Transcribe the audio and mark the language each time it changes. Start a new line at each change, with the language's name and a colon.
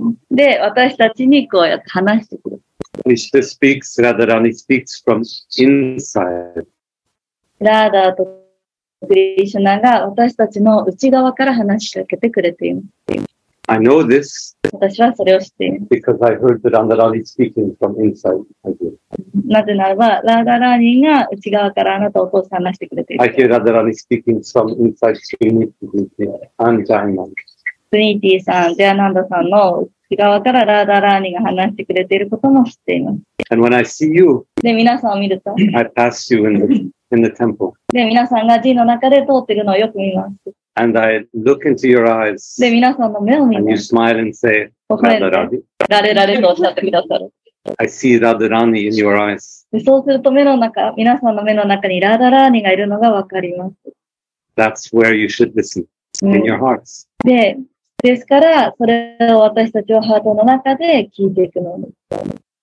Japanese: で、私たちにこうやって話してくる。
English: Krishna speaks, Radharani speaks from inside.
Japanese: ラーダとクリシュナが私たちの内側から話しかけてくれています。
English: I know this.
Japanese: 私はそれを知っています。
English: Because I heard that Radharani speaking from inside.
Japanese: なぜならば、ラーダラーニが内側からあなたをお父さん話してくれている。
English: I hear Radharani speaking from inside Trinity and Jayananda.
Japanese: トリニティさん、ジャナンダさんの内側からラーダラーニが話してくれていることも知っています。
English: And when I see you,
Japanese: で、皆さんを見ると、
English: I pass you in the temple.
Japanese: で、皆さんが寺の中で通っているのをよく見ます。
English: And I look into your eyes.
Japanese: で、皆さんの目を見て、
English: and you smile and say, Radharani.
Japanese: とおっしゃってくださる。
English: I see Radharani in your eyes.
Japanese: で、そうすると目の中、皆さんの目の中にラダラーニがいるのがわかります。
English: That's where you should listen, in your hearts.
Japanese: で、ですから、それを私たちはハートの中で聞いていくのです。